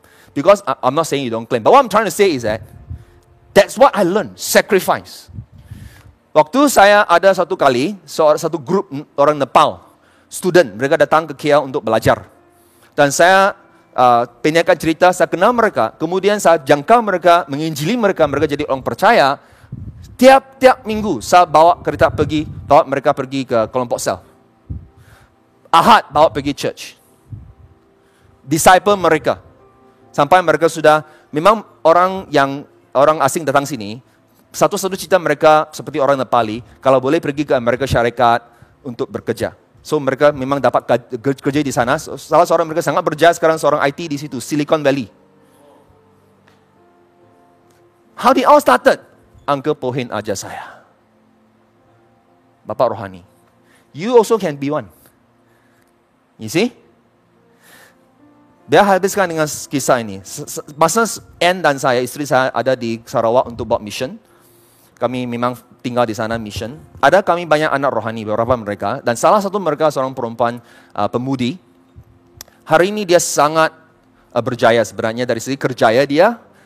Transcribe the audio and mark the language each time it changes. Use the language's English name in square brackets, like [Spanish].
[English] Because I'm not saying you don't claim. But what I'm trying to say is that, that's what I learned, sacrifice. [Malay] Waktu saya ada satu kali, satu grup orang Nepal. student. Mereka datang ke KL untuk belajar. Dan saya penyakan cerita, saya kenal mereka. Kemudian saya jangkau mereka, menginjili mereka. Mereka jadi orang percaya. Tiap-tiap minggu saya bawa kereta pergi, bawa mereka pergi ke kelompok sel. Ahad bawa pergi church. Disciple mereka. Sampai mereka sudah, memang orang yang orang asing datang sini, satu-satu cerita mereka seperti orang Nepali, kalau boleh pergi ke Amerika Syarikat untuk bekerja. So mereka memang dapat kerja di sana. Salah seorang mereka sangat berjaya sekarang, seorang IT di situ, Silicon Valley. [English] How did all started? [Malay] Uncle Pohin ajar saya. Bapak rohani. [English] You also can be one. You see? [Malay] Biar habiskan dengan kisah ini. Masa Ann dan saya, istri saya ada di Sarawak untuk buat mission. Kami memang tinggal di sana mission. Ada kami banyak anak rohani, beberapa mereka. Dan salah satu mereka seorang perempuan pemudi. Hari ini dia sangat berjaya sebenarnya dari segi kerjaya dia.